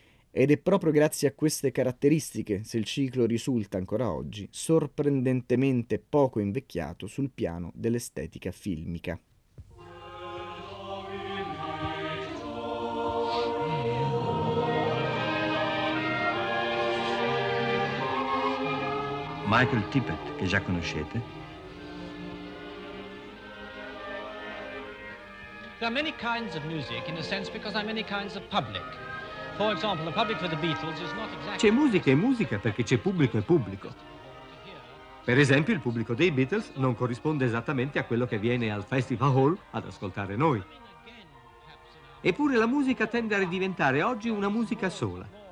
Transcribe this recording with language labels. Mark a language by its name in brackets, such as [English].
[Italian] Ed è proprio grazie a queste caratteristiche se il ciclo risulta ancora oggi sorprendentemente poco invecchiato sul piano dell'estetica filmica. Michael Tippett, che già conoscete, [English] There are many kinds of music, in a sense, because there are many kinds of public. For example, the public for the Beatles is not exactly... [Italian] C'è musica e musica perché c'è pubblico e pubblico. Per esempio, il pubblico dei Beatles non corrisponde esattamente a quello che viene al Festival Hall ad ascoltare noi. Eppure la musica tende a ridiventare oggi una musica sola.